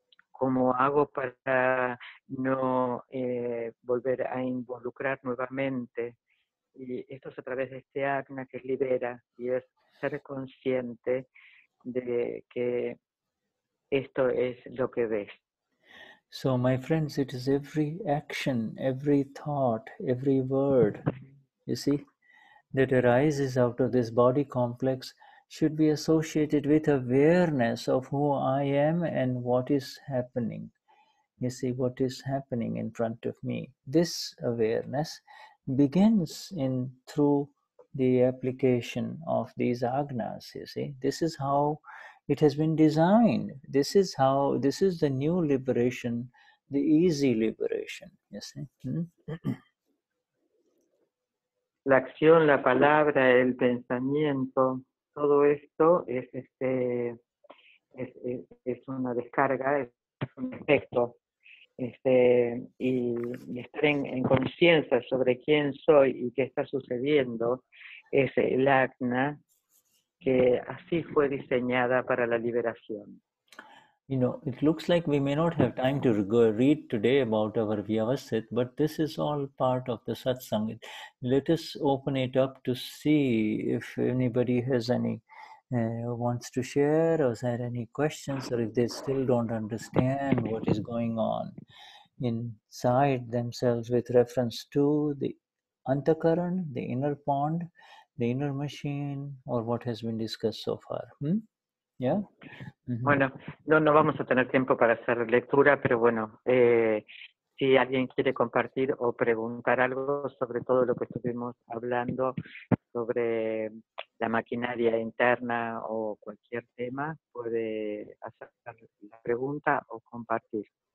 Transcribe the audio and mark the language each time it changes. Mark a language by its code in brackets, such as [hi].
[es] ¿Cómo hago para no volver a involucrar nuevamente? Y esto es a través de este Agna que libera y es ser consciente de que esto es lo que ves. [en] So, my friends, it is every action, every thought, every word, you see, that arises out of this body complex should be associated with awareness of who I am and what is happening. You see, what is happening in front of me. This awareness begins through the application of these agnas, you see. This is how It has been designed. This is how, this is the new liberation, the easy liberation, you see. [es] La acción, la palabra, el pensamiento, todo esto es este, es una descarga, es un efecto. Este, y estar en conciencia sobre quién soy y qué está sucediendo es el acna que así fue diseñada para la liberación. [en] You know, it looks like we may not have time to read today about our Vyavasthit, but this is all part of the satsang. Let us open it up to see if anybody has any wants to share or had any questions, or if they still don't understand what is going on inside themselves with reference to the antakaran, the inner pond, the inner machine, or what has been discussed so far. Yeah. Mm-hmm. [es] Bueno, no vamos a tener tiempo para hacer lectura, pero bueno, si alguien quiere compartir o preguntar algo sobre todo lo que estuvimos hablando sobre la maquinaria interna o cualquier tema, puede hacer la pregunta o compartir.